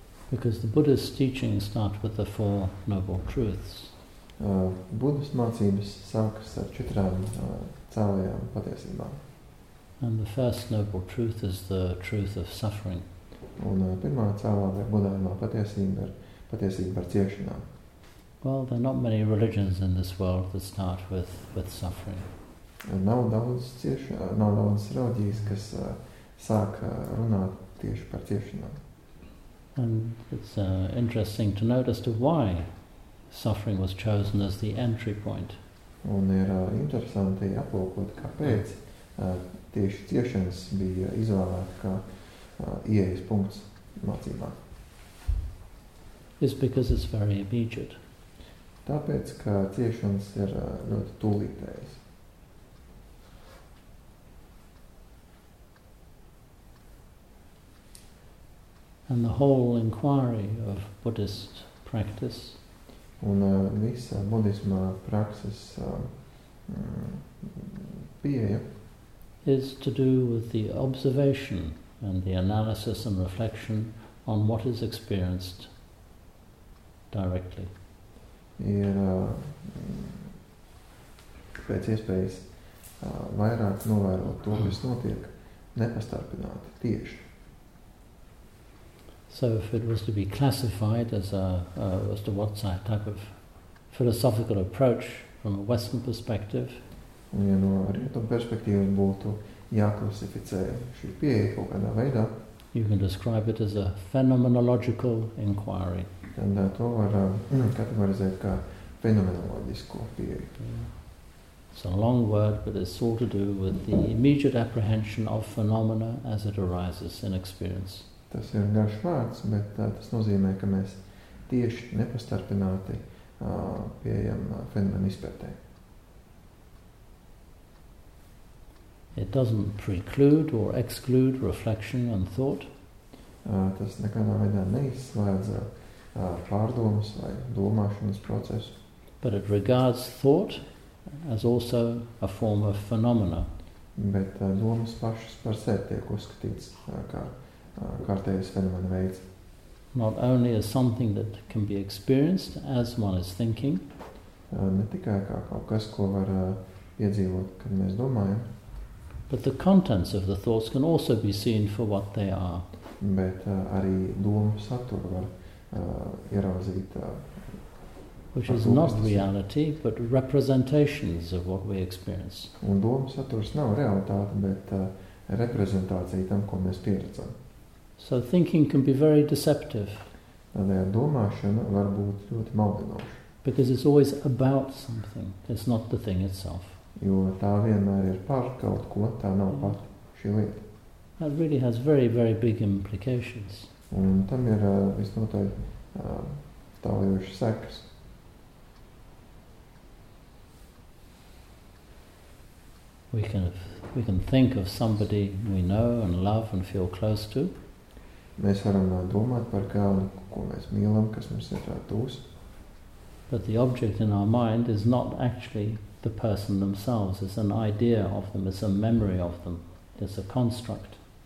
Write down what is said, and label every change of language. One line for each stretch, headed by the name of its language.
English: Because the Buddhist teachings start with the Four Noble Truths.
Latvian: Buddhas mācības sākas ar četrām cēlējām patiesībām.
English: And the first noble truth is the truth of suffering.
Latvian: Un pirmā cēlā vai budājumā patiesība par ciešanām.
English: Well, there are not many religions in this world that start with suffering.
Latvian: Nav daudz reliģijas, kas sāk runāt tieši par ciešanām.
English: And it's interesting to notice to why suffering was chosen as the entry point.
Latvian: Un ir interesanti aplūkot, kāpēc tieši ciešanas bija izvēlēta kā ieejas punkts mācībā.
English: It's because it's very immediate.
Latvian: Tāpēc, ka ciešanas ir ļoti tūlītējas.
English: And the whole inquiry of Buddhist practice.
Latvian: Un visa budisma prakses pieeja
English: is to do with the observation and the analysis and reflection on what is experienced directly.
Latvian: Ir pēc iespējas vairāk novērot to, kas notiek, nepastarpināti tieši.
English: So if it was to be classified as what type of philosophical approach from a Western perspective,
Latvian: ja no rietumu perspektīvas būtu jāklasificē šī pieeja kaut kādā veidā,
English: you can describe it as a phenomenological inquiry.
Latvian: Tad to var kategorizēt kā fenomenoloģisko pieeju.
English: It's a long word, but it's all to do with the immediate apprehension of phenomena as it arises in experience.
Latvian: Tas ir garš vārds, bet tas nozīmē, ka mēs tieši nepastarpināti pieejam fenomenu izpētē.
English: It doesn't preclude or exclude reflection and thought.
Latvian: Tas nekādā veidā neizslēdz pārdomas vai domāšanas procesu.
English: But it regards thought as also a form of phenomena.
Latvian: Bet domas pašas par sevi tiek uzskatītas kā kārtējas fenomena veids.
English: Not only as something that can be experienced as one is thinking.
Latvian: Ne tikai kā kaut kas, ko var piedzīvot, kad mēs domājam.
English: But the contents of the thoughts can also be seen for what they are.
Latvian: Bet arī domu saturu var ieraudzīt.
English: Which is not reality, but representations of what we experience.
Latvian: Un domu saturs nav realitāte, bet reprezentācija tam, ko mēs pieredzam.
English: So thinking can be very deceptive.
Latvian: Tādēļ domāšana var būt ļoti maldinoša.
English: Because it's always about something. It's not the thing itself.
Latvian: Jo tā vienmēr ir par kaut ko, tā nav pat šī lieta.
English: That really has very, very big implications.
Latvian: Un tam ir visnotaļ tālējoši sekas.
English: We can think of somebody we know and love and feel close to.
Latvian: Mēs varam domāt par kādu, ko mēs mīlam, kas mums ir tūs.
English: But the object in our mind is not actually the person themselves, it's an idea of them, it's a memory of them, it's a construct.